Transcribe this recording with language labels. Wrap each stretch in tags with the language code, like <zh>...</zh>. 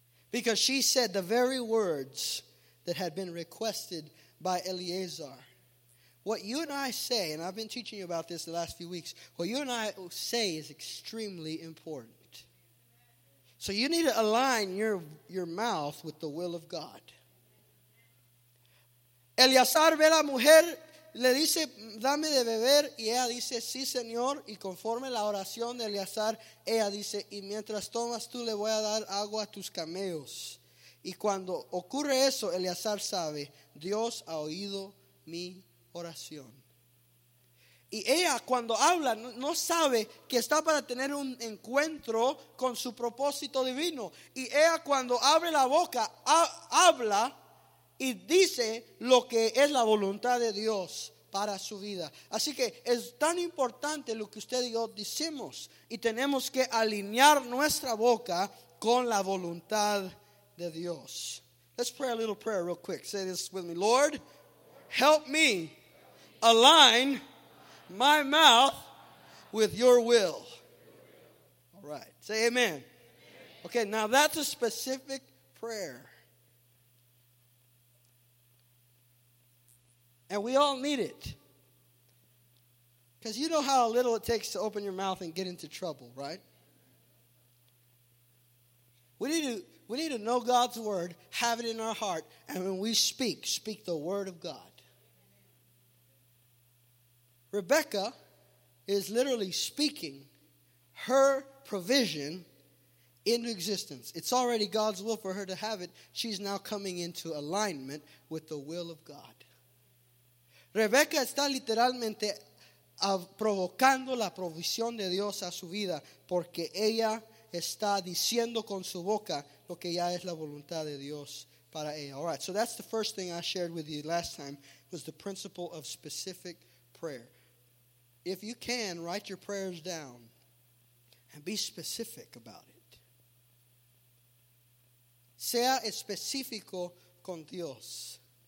<en>Because she said the very words that had been requested by Eleazar. What you and I say, and I've been teaching you about this the last few weeks, what you and I say is extremely important. So you need to align your mouth with the will of God.</en> <es>Eleazar ve la mujer, le dice, dame de beber, y ella dice, sí, señor, y conforme la oración de Eleazar, ella dice, y mientras tomas tú le voy a dar agua a tus camellos. Y cuando ocurre eso, Eleazar sabe, Dios ha oído mi oración. Y ella cuando habla no sabe que está para tener un encuentro con su propósito divino. Y ella cuando abre la boca habla y dice lo que es la voluntad de Dios para su vida. Así que es tan importante lo que usted y yo decimos. Y tenemos que alinear nuestra boca con la voluntad de Dios.</es> <en>Let's pray a little prayer real quick. Say this with me. Lord, help me align my mouth with your will. All right. Say amen. Okay, now that's a specific prayer. And we all need it. Because you know how little it takes to open your mouth and get into trouble, right? We need to know God's word, have it in our heart, and when we speak the word of God. Rebecca is literally speaking her provision into existence. It's already God's will for her to have it. She's now coming into alignment with the will of God.</en> <es>Rebecca está literalmente provocando la provisión de Dios a su vida porque ella está diciendo con su boca lo que ya es la voluntad de Dios para ella.</es> <en>All right, so that's the first thing I shared with you last time was the principle of specific prayer. If you can, write your prayers down and be specific about it.</en> <es>Sea específico con Dios.</es>